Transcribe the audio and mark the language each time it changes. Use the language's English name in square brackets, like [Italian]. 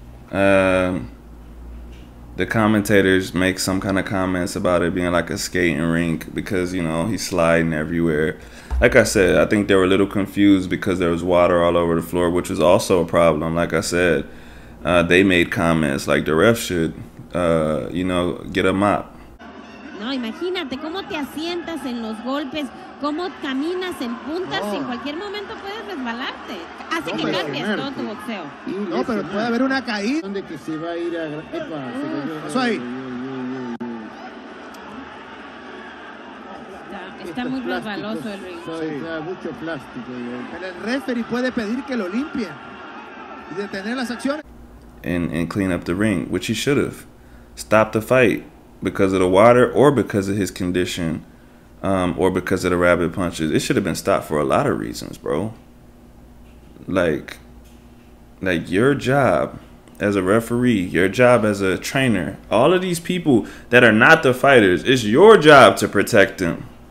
[English] The commentators make some kind of comments about it being like a skating rink because, you know, he's sliding everywhere. Like I said, I think they were a little confused because there was water all over the floor, which is also a problem. Like I said, they made comments like the ref should, you know, get a mop. [Spanish] No, imagínate cómo te asientas en los golpes, cómo caminas en puntas, en cualquier momento puedes resbalarte. Hace que cambies todo tu boxeo. No, pero puede haber una caída. ¿Dónde que se va a ir a...? Epa, eso ahí. Está muy resbaloso el ring. Está mucho plástico. El referee puede pedir que lo limpien y detener las acciones. [English] And clean up the ring, which he should have. Stop the fight. Because of the water, or because of his condition, or because of the rabbit punches, it should have been stopped for a lot of reasons, bro. Like your job as a referee, your job as a trainer, all of these people that are not the fighters, it's your job to protect them.